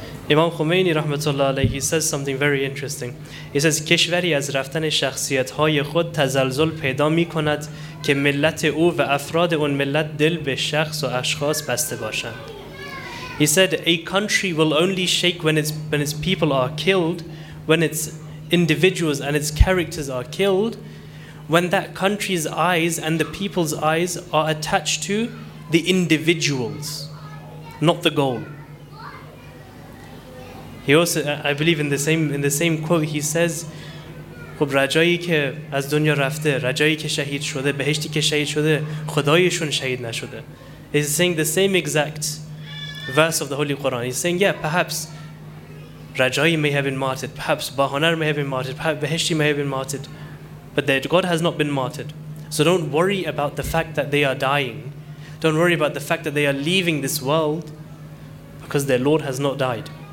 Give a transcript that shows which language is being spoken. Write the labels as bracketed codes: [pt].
[en] Imam Khomeini rahmatullah alayhi says something very interesting. He says [fa] کشوری از رفتن شخصیت‌های خود تزلزل پیدا می‌کند که ملت او و افراد اون ملت دل به شخص و اشخاص بسته باشند. [en] He said a country will only shake when its people are killed, when its individuals and its characters are killed, when that country's eyes and the people's eyes are attached to the individuals, not the goal. He also, I believe in the same quote, he says, [fa] خب رجایی که از دنیا رفته، رجایی که شهید شده، بهشتی که شهید شده، خدایشون شهید نشده. [en] He's saying the same exact verse of the Holy Quran. He's saying, yeah, perhaps Rajai may have been martyred, perhaps Bahonar may have been martyred, perhaps Beheshti may have been martyred, but that God has not been martyred. So don't worry about the fact that they are dying. Don't worry about the fact that they are leaving this world because their Lord has not died.